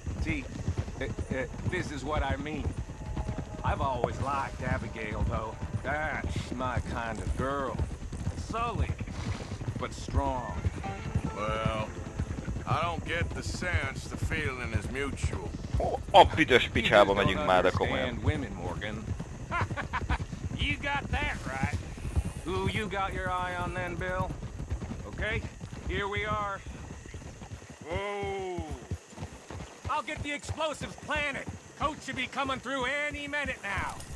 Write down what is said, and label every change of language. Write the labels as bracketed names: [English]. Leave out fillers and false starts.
[English] See, this is what I mean. I've always liked Abigail, though. That's my kind of girl. Sully, but strong. Well, I don't get the sense the feeling is mutual. [Hungarian] Oh, büdös picsába megyünk már, de komolyan. [English] Women, Morgan. You got that right. Who you got your eye on then, Bill? Okay, here we are. Whoa. I'll get the explosives planted. Coach should be coming through any minute now.